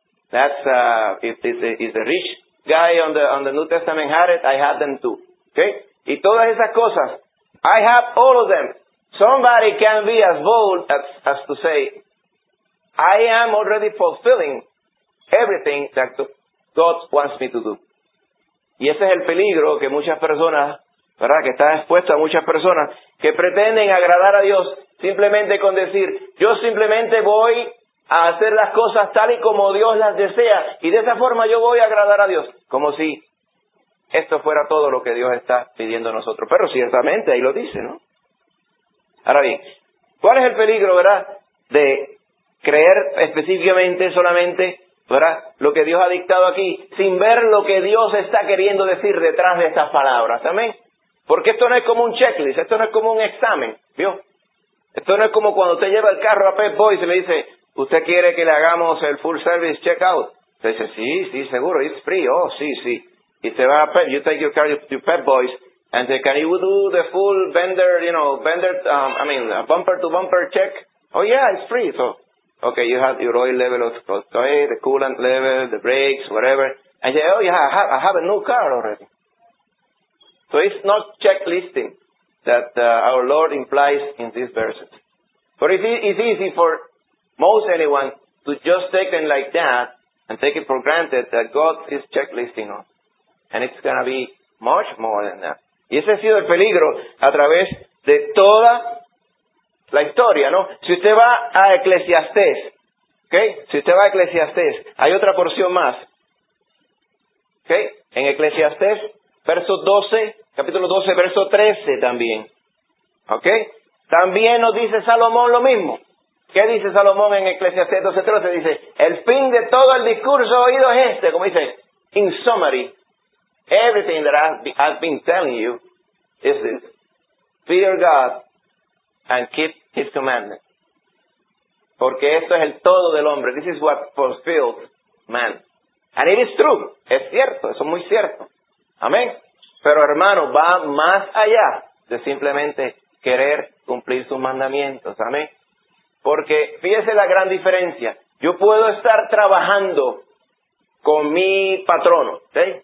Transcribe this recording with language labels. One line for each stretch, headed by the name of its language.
English: That's, if is the rich guy on the New Testament had it, I have them too. Okay?
Spanish: Y todas esas cosas.
English: I have all of them. Somebody can be as bold as to say, I am already fulfilling everything that God wants me to do.
Spanish: Y ese es el peligro que muchas personas, ¿verdad?, que está expuesto a muchas personas que pretenden agradar a Dios simplemente con decir, yo simplemente voy a hacer las cosas tal y como Dios las desea y de esa forma yo voy a agradar a Dios. Como si esto fuera todo lo que Dios está pidiendo a nosotros. Pero ciertamente ahí lo dice, ¿no? Ahora bien, ¿cuál es el peligro, verdad, de creer específicamente solamente, verdad, lo que Dios ha dictado aquí, sin ver lo que Dios está queriendo decir detrás de estas palabras? ¿Amén? Porque esto no es como un checklist, esto no es como un examen, ¿vio? Esto no es como cuando usted lleva el carro a Pep Boys y le dice, ¿usted quiere que le hagamos el full service checkout? Usted dice, sí, sí, seguro,
English: it's free,
Spanish: oh, sí, sí. Y usted va a Pep,
English: you take your car to Pep Boys, and say, can you do the full vendor, you know, vendor, I mean, a bumper to bumper check? Oh, yeah, it's free. So, okay, you have your oil level, the coolant level, the brakes, whatever. And say, oh, yeah, I have a new car already. So it's not checklisting that our Lord implies in these verses. But it's easy for most anyone to just take it like that and take it for granted that God is checklisting us. And it's going to be much more than that.
Spanish: Y ese ha sido el peligro a través de toda la historia, ¿no? Si usted va a Eclesiastés, ¿ok? Si usted va a Eclesiastés, hay otra porción más, ¿ok? En Eclesiastés, verso 12, capítulo 12, verso 13 también, ¿ok? También nos dice Salomón lo mismo. ¿Qué dice Salomón en Eclesiastés 12, 13? Dice, el fin de todo el discurso oído es este, como dice,
English: in summary, everything that I've been telling you is this. Fear God and keep His commandments.
Spanish: Porque esto es el todo del hombre.
English: This is what fulfills man. And it is true.
Spanish: Es cierto. Eso es muy cierto. Amén. Pero hermano, va más allá de simplemente querer cumplir sus mandamientos. Amén. Porque fíjese la gran diferencia. Yo puedo estar trabajando con mi patrono. ¿Sí?